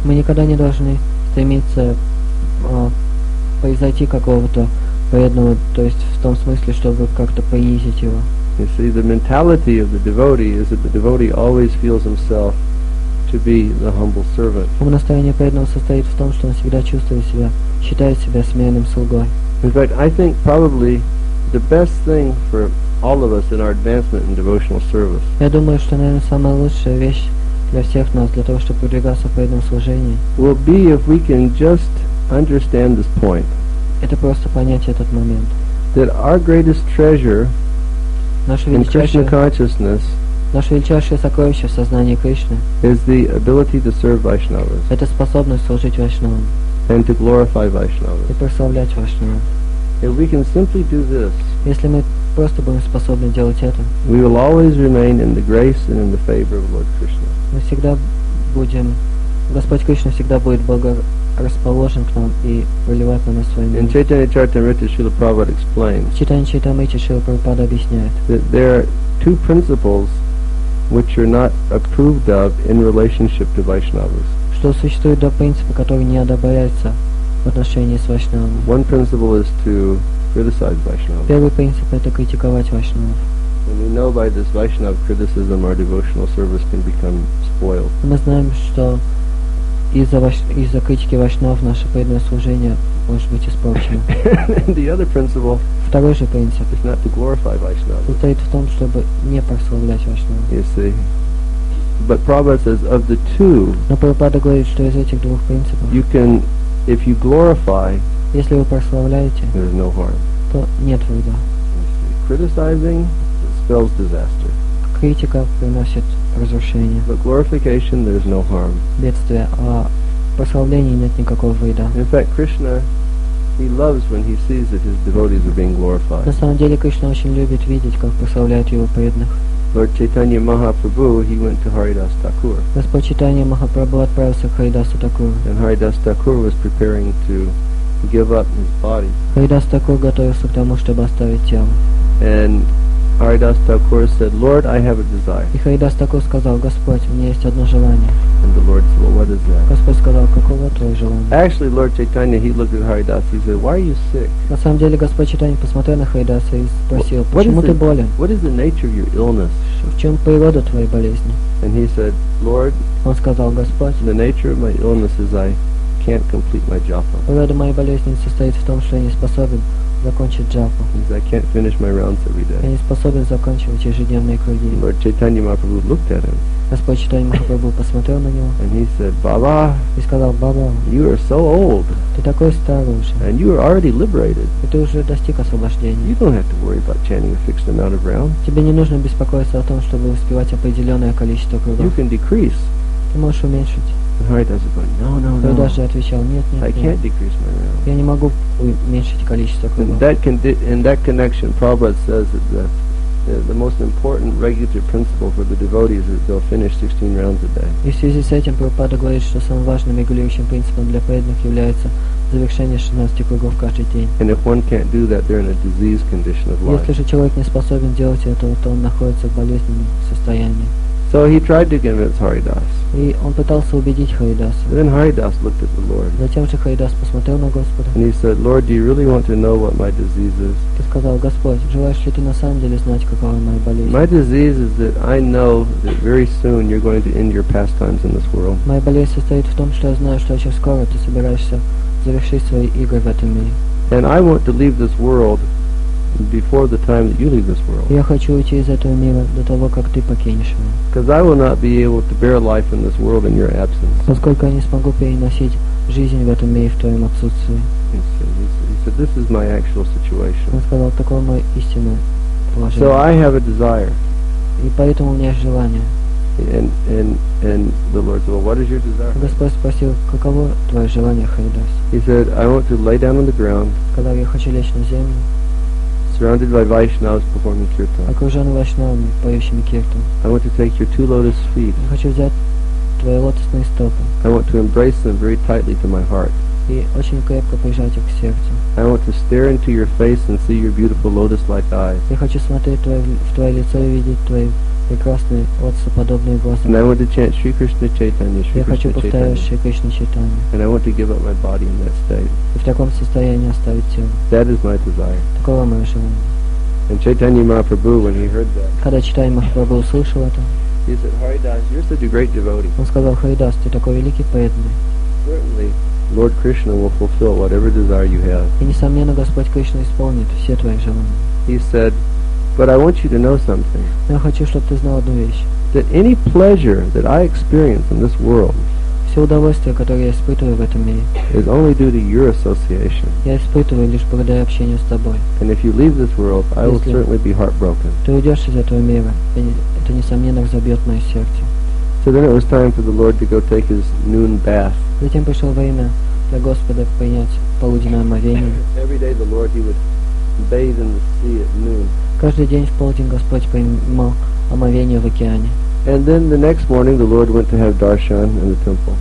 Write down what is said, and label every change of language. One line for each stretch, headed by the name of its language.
Russian: Мы никогда не должны стремиться произойти какого-то преданного, то есть в том смысле, чтобы как-то понизить его.
English: You see, the mentality of the devotee is that the devotee always feels himself to be the humble servant.
Russian: Его настроение преданного состоит в том, что он всегда чувствует себя, считает себя смиренным слугой.
English: In fact, I think probably the best thing for all of us in our advancement in devotional service.
Russian: Я думаю, что, наверное, самая лучшая вещь для всех нас для того, чтобы продвигаться в преданном служении.
English: Will be if we can just understand this point.
Russian: Это просто понять этот момент.
English: That our greatest treasure in Krishna consciousness.
Russian: Наше величайшее сокровище в сознании Кришны
English: is the ability to serve Vaishnavas.
Russian: Это способность служить Вайшнавам.
English: And to glorify Vaishnavas.
Russian: И прославлять Вайшнавам.
English: If we can simply do this,
Russian: если мы просто будем способны делать это,
English: we will always remain in the grace and in the favor of Lord Krishna.
Russian: Мы всегда будем, Господь Кришна всегда будет благорасположен к нам и проливать на нас свою милость.
English: In Chaitanya Charitamrita, Srila Prabhupada explains.
Russian: В Читании Чайтамрити Шрила Прабхупада объясняет.
English: That there are two principles which are not approved of in relationship to Vaishnavas.
Russian: Что существует два принципа, которые не одобряются в отношении с Вайшнавами.
English: One principle is to criticize Vaishnavas.
Russian: Первый принцип – это критиковать Вайшнавов.
English: And we know by this Vaishnava criticism our devotional service can become spoiled.
Russian: Мы знаем, что из-за критики Вайшнавов наше преданное служение может быть испорчено.
English: The other principle.
Russian: Второй же принцип.
English: Is not to glorify Vaishnava.
Russian: Состоит в том, чтобы не прославлять Вайшнава.
English: You see. But Prabhupada says of the two.
Russian: Но Прабхупада говорит, что из этих двух принципов.
English: You can, if you glorify.
Russian: Если вы прославляете.
English: There is no harm.
Russian: То нет вреда.
English: Criticizing spells disaster.
Russian: Критика приносит разрушение.
English: But glorification, there is no harm.
Russian: Бедствие. А прославлении нет никакого вреда.
English: In fact, Krishna, he loves when he sees that his devotees are being glorified.
Russian: На самом деле Кришна очень любит видеть, как прославляют его преданных.
English: Lord Chaitanya Mahaprabhu, he went to Haridas Thakur.
Russian: Господь Чайтанья Махапрабху отправился к Харидасу Такуру.
English: And Haridas Thakur was preparing to give up his body.
Russian: Харидас Такур готовился к тому, чтобы оставить тело.
English: And Haridas Thakur said, Lord, I have a desire.
Russian: И Харидас Такур сказал, Господь, у меня есть одно желание.
English: And the Lord said, well, what is that?
Russian: Господь сказал, каково твое желание?
English: Actually, Lord Chaitanya, he looked at Haridas, he said, why are you sick?
Russian: На самом деле, Господь Чайтанья посмотрел на Харидаса и спросил, почему ты болен?
English: What is the nature of your illness?
Russian: В чем природа твоей болезни?
English: And he said, Lord,
Russian: он сказал, Господь,
English: the nature of my illness is I can't complete my japa.
Russian: Природа моей болезни состоит в том, что я не способен закончить джапу.
English: I can't finish my rounds every day.
Russian: Я не способен закончить ежедневные круги.
English: Lord Chaitanya Mahaprabhu looked at him.
Russian: Господь Чайтанья Махапрабху посмотрел на него.
English: And he said, Baba,
Russian: и сказал, Баба,
English: you are so old.
Russian: Ты такой старый уже.
English: And you are already liberated.
Russian: И ты уже достиг освобождения.
English: You don't have to worry about chanting a fixed amount of rounds.
Russian: Тебе не нужно беспокоиться о том, чтобы успевать определенное количество кругов.
English: You can decrease.
Russian: Ты можешь уменьшить. Но даже отвечал, нет, я не могу уменьшить количество кругов.
English: In that connection, Prabhupada says that the most important regulative principle for the devotees is they'll finish 16 rounds a day.
Russian: И в связи с этим Прабхупада говорит, что самым важным регулирующим принципом для преданных является завершение 16 кругов каждый день.
English: And if one can't do that, they're in a disease condition of life.
Russian: Если же человек не способен делать этого, то он находится в болезненном состоянии.
English: So he tried to convince Haridas.
Russian: И он пытался убедить Харидаса.
English: Then Haridas looked at the Lord.
Russian: Затем же Харидас посмотрел на Господа.
English: And he said, Lord, do you really want to know what my disease is?
Russian: Ты сказал, Господь, желаешь ли ты на самом деле знать, какова моя болезнь?
English: My disease is that I know that very soon you're going to end your pastimes in this world.
Russian: Моя болезнь состоит в том, что я знаю, что очень скоро ты собираешься завершить свои игры в этом мире.
English: And I want to leave this world before the time that you leave this world.
Russian: Я хочу уйти из этого мира до того, как ты покинешь меня.
English: Because I will not be able to bear life in this world in your absence.
Russian: Поскольку я не смогу переносить жизнь в этом мире в твоем отсутствии.
English: He said, this is my actual situation.
Russian: Он сказал, такое мое истинное положение.
English: So I have a desire.
Russian: И поэтому у меня есть желание.
English: And the Lord said, well, what is your desire?
Russian: Господь спросил, каково твое желание, Харидас?
English: He said, I want to lay down on the ground.
Russian: Когда я хочу лечь на землю.
English: Surrounded by Vaishnavas performing kirtan.
Russian: Окружён Вайшнавами, поющими киртан.
English: I want to take your two lotus feet.
Russian: Я хочу взять твои лотосные стопы.
English: I want to embrace them very tightly to my heart.
Russian: И очень крепко прижать их к сердцу.
English: I want to stare into your face and see your beautiful lotus-like eyes.
Russian: Я хочу смотреть в твое лицо и видеть твои прекрасные лотосоподобные глаза.
English: And I want to chant Shri Krishna Chaitanya.
Russian: Я хочу повторять Shri Krishna Chaitanya.
English: And I want to give up my body in that state.
Russian: И в таком состоянии оставить тело.
English: That is my desire.
Russian: Такого моего желания.
English: And Chaitanya Mahaprabhu, when he heard that.
Russian: Когда Чайтанья Махапрабху услышал это.
English: He said, Haridas, you're such a great devotee.
Russian: Он сказал, Харидас, ты такой великий преданный.
English: Certainly, Lord Krishna will fulfill whatever desire you have.
Russian: И несомненно, Господь Кришна исполнит все твои желания.
English: He said, but I want you to know something.
Russian: Я хочу, чтобы ты знал одну вещь.
English: That any pleasure that I experience in this world.
Russian: Все удовольствие, которое я испытываю в этом мире.
English: Is only due to your association.
Russian: Я испытываю лишь благодаря общению с тобой.
English: And if you leave this world, I will certainly be heartbroken.
Russian: Ты уйдешь из этого мира, это несомненно разобьет мое сердце.
English: So then it was time for the Lord to go take his noon bath.
Russian: Затем пришло время для Господа принять полуденное омовение.
English: Every day the Lord, he would bathe in the sea at noon.
Russian: Каждый день в полдень Господь принимал омовение в океане.
English: And then the next morning the Lord went to have darshan in the temple.